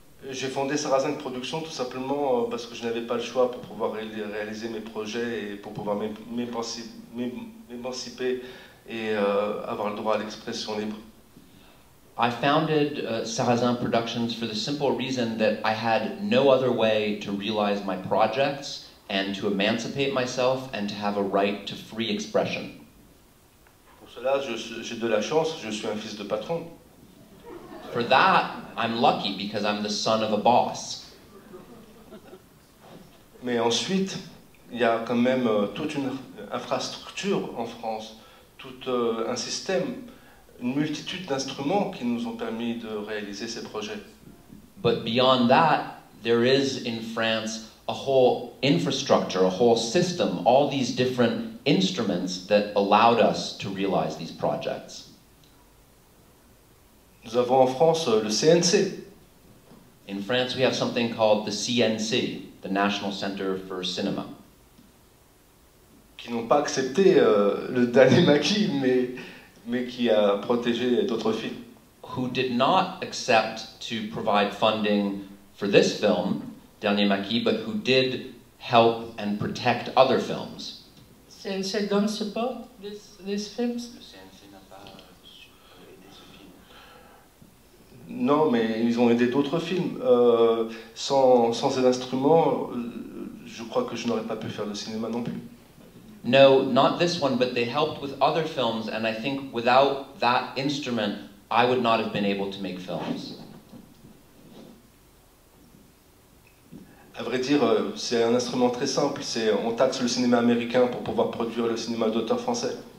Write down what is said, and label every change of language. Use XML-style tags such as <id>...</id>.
<fr>J'ai fondé Sarrazin Productions tout simplement parce que je n'avais pas le choix pour pouvoir réaliser mes projets et pour pouvoir m'émanciper et avoir le droit à l'expression libre.</fr> <en>I founded Sarrazin Productions for the simple reason that I had no other way to realize my projects and to emancipate myself and to have a right to free expression.</en> <fr>Pour cela, j'ai de la chance, je suis un fils de patron.</fr> <en>For that, I'm lucky because I'm the son of a boss.</en> <fr>Mais ensuite, il y a quand même toute une infrastructure en France, tout un système, une multitude d'instruments qui nous ont permis de réaliser ces projets.</fr> <en>But beyond that, there is in France a whole infrastructure, a whole system, all these different instruments that allowed us to realize these projects.</en> <fr>Nous avons en France le CNC.</fr> <en>In France, we have something called the CNC, the National Center for Cinema.</en> <fr>Qui n'ont pas accepté le dernier maquis, mais qui a protégé d'autres films.</fr> <en>Who did not accept to provide funding for this film, Dernier Maquis, but who did help and protect other films. CNC don't support these films?</en> <fr>Non, mais ils ont aidé d'autres films. Sans ces instruments, je crois que je n'aurais pas pu faire le cinéma non plus.</fr> <en>No, not this one, but they helped with other films, and I think without that instrument, I would not have been able to make films.</en> <fr>À vrai dire, c'est un instrument très simple. C'est on taxe le cinéma américain pour pouvoir produire le cinéma d'auteur français.</fr>